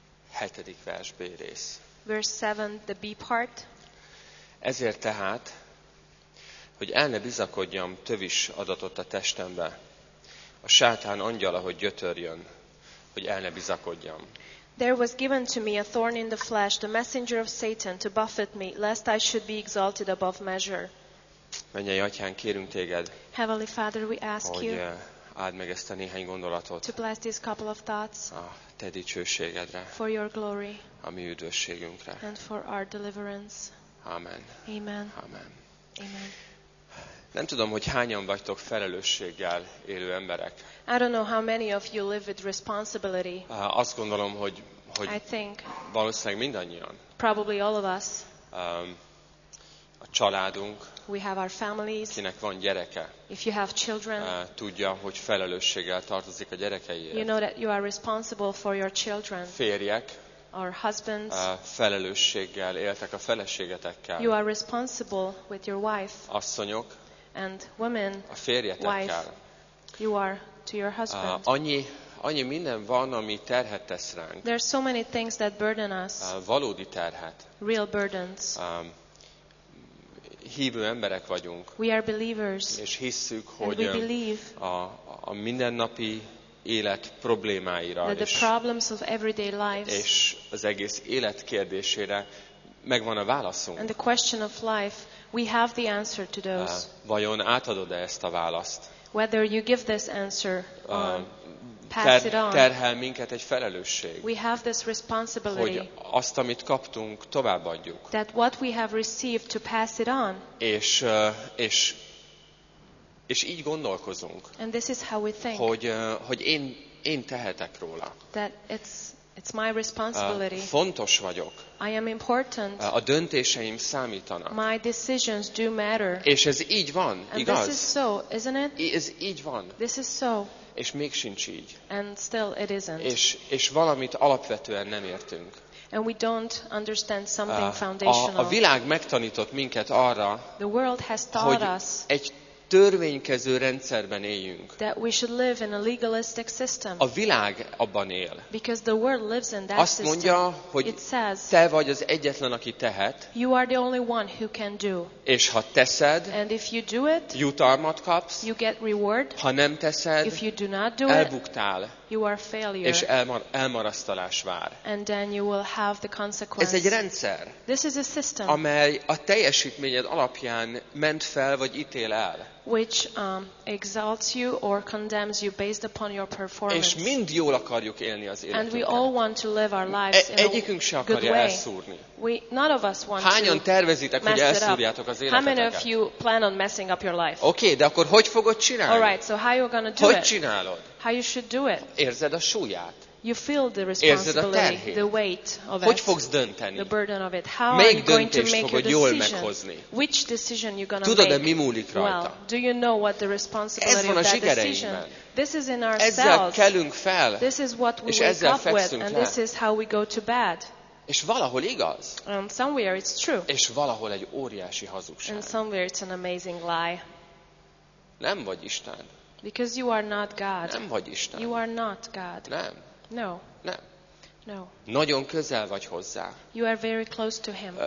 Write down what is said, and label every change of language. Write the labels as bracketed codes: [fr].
[hu] 7. vers B rész. [en] Verse 7, the B part. [hu] Ezért tehát, hogy el ne bizakodjam, tövis adatott a testembe. A sátán angyala, hogy gyötörjön, hogy el ne bizakodjam. [en] There was given to me a thorn in the flesh, the messenger of Satan, to buffet me, lest I should be exalted above measure. [hu] Mennyei Atyán, kérünk téged, [en] Heavenly Father, we ask [hu] hogy áld meg ezt a néhány gondolatot, [en] to bless this couple of thoughts, [hu] a te dicsőségedre, [en] for your glory, [hu] a mi üdvösségünkre, [en] and for our deliverance. [hu] Amen. [en] Amen. [hu] Amen. [en] Amen. [hu] Nem tudom, hogy hányan vagytok felelősséggel élő emberek. [en] I don't know how many of you live with responsibility. [hu] Azt gondolom, hogy [en] I think [hu] valószínűleg mindannyian. [en] Probably all of us. [hu] A családunk. [en] We have our families. [hu] Kinek van gyereke. [en] If you have children. [hu] Tudja, hogy felelősséggel tartozik a gyerekeiért. [en] You know that you are responsible for your children. [hu] Férjek. [en] Our husbands. [hu] Felelősséggel éltek a feleségetekkel. [en] You are responsible with your wife. [hu] Asszonyok. [en] And women, [hu] a férjetekkel. [en] You are to your husband. [hu] Annyi minden van, ami terhet tesz ránk. [en] There are so many things that burden us. [hu] Valódi terhet. [en] Real burdens. [hu] Hívő emberek vagyunk. [en] We are believers. [hu] És hisszük, hogy [en] we believe [hu] a mindennapi élet problémáira [en] that the problems of everyday lives, [hu] és az egész élet kérdésére megvan a válaszunk. [en] And the question of life, we have the answer to those. [hu] Vajon átadod-e ezt a választ? [en] Whether you give this answer pass it on. [hu] Terhel minket egy felelősség. [en] We have this responsibility. [hu] Hogy azt, amit kaptunk, továbbadjuk. [en] That what we have received to pass it on. [hu] És így gondolkozunk. [en] And this is how we think. [hu] Hogy én tehetek róla. [en] That it's my responsibility. [hu] Fontos vagyok. [en] I am important. [hu] A döntéseim számítanak. [en] My decisions do matter. [hu] És ez így van, [en] and [hu] igaz? [en] This is so, isn't it? [hu] Ez így van. [en] This is so. [hu] És még sincs így. [en] And still it isn't. [hu] És valamit alapvetően nem értünk. [en] And we don't understand something foundational. [hu] A világ megtanított minket arra, [en] the world has taught us, [hu] hogy egy törvénykező rendszerben éljünk. [en] That we should live in a legalistic system. [hu] A világ abban él. [en] Because the world lives in that system. [hu] Azt mondja, hogy [en] it says, [hu] te vagy az egyetlen, aki tehet. [en] You are the only one who can do. [hu] És ha teszed, [en] and if you do it, [hu] jutalmat kapsz. [en] You get reward. [hu] Ha nem teszed, [en] if you do not do [hu] elbuktál. [en] You are a failure. [hu] És elmarasztalás vár. [en] And then you will have the consequence. [hu] Ez egy rendszer. [en] This is a system. [hu] Amely a teljesítményed alapján ment fel vagy ítél el. [en] Which exalts you or condemns you based upon your performance. [hu] És mind jól akarjuk élni az életünket. [en] And we all want to live our lives in a good way. [hu] Egyikünk se akarja elszúrni. [en] None of us want to. [hu] Hányan tervezitek, hogy elszúrjátok az életeteket? [en] How many of you plan on messing up your life? [hu] Okay, de akkor hogy fogod csinálni? [en] All right, so how you're gonna do it? [hu] Hogy csinálod? [en] How you should do it? [hu] Érzed a súlyát? [en] You feel the responsibility, the weight of it. [hu] Hogy fogsz dönteni? [en] The burden of it. How [hu] melyik [en] are you going to make [hu] fogod [en] your decision? [hu] Jól meghozni? [en] Which decision you're gonna [hu] tudod-e, [en] make? [hu] Mi múlik rajta? [en] Well, do you know what the responsibility [hu] ez van [en] of that decision? This is in ourselves. [hu] Ezzel kelünk fel. [en] This is what we wake up with, and this is how we go to bed. [hu] És valahol igaz. [en] And somewhere it's true. [hu] És valahol egy óriási hazugság. [en] And somewhere it's an amazing lie. [hu] Nem vagy Isten. [en] Because you are not God. [hu] Nem vagy Isten. [en] You are not God. [hu] Nem. [en] No. [hu] Nem. [en] No. [hu] Nagyon közel vagy hozzá. [en] You are very close to him.